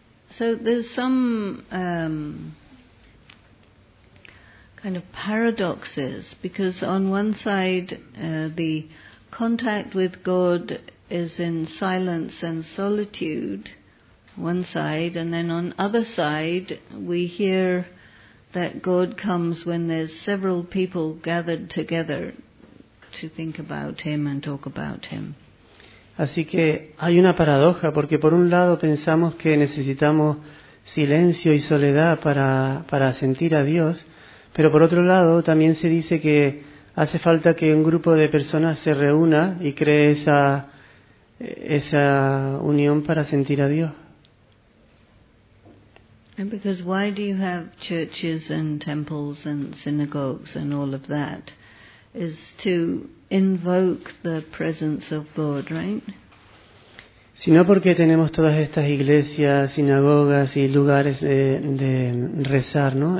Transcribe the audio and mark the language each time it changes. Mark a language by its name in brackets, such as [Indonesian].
[English] So there's some kind of paradoxes, because on one side the contact with God is in silence and solitude, one side, and then on other side we hear that God comes when there's several people gathered together to think about him and talk about him. [Spanish] Así que hay una paradoja, porque por un lado pensamos que necesitamos silencio y soledad para sentir a Dios, pero por otro lado también se dice que hace falta que un grupo de personas se reúna y cree esa unión para sentir a Dios. [English] And because why do you have churches and temples and synagogues and all of that? Is to invoke the presence of God, right? [Spanish] Sino porque tenemos todas estas iglesias, sinagogas y lugares de rezar, ¿no?